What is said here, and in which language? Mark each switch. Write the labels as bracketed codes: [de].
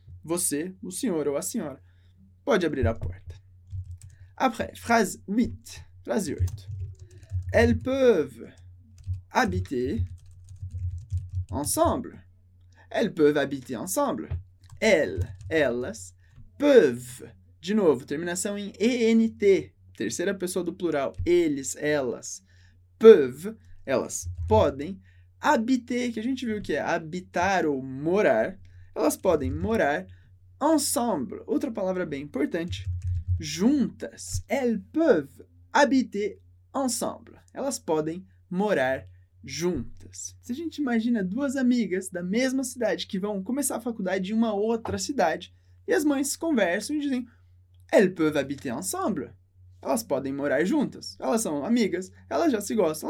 [pt] Você, o senhor ou a senhora, pode abrir a porta. [fr] Après, phrase 8. Phrase 8. Elles peuvent habiter ensemble. Elles peuvent habiter ensemble. Elles peuvent. [pt] De novo, terminação em ENT. Terceira pessoa do plural. Eles, elas. Peuvent. Elas podem habiter, que a gente viu que é habitar ou morar. Elas podem morar ensemble. Outra palavra bem importante. Juntas. [fr] Elles peuvent habiter ensemble. [pt] Elas podem morar juntas. Se a gente imagina duas amigas da mesma cidade que vão começar a faculdade em uma outra cidade, e as mães conversam e dizem: [fr] Elles peuvent habiter ensemble. [pt] Elas podem morar juntas. Elas são amigas. Elas já se gostam.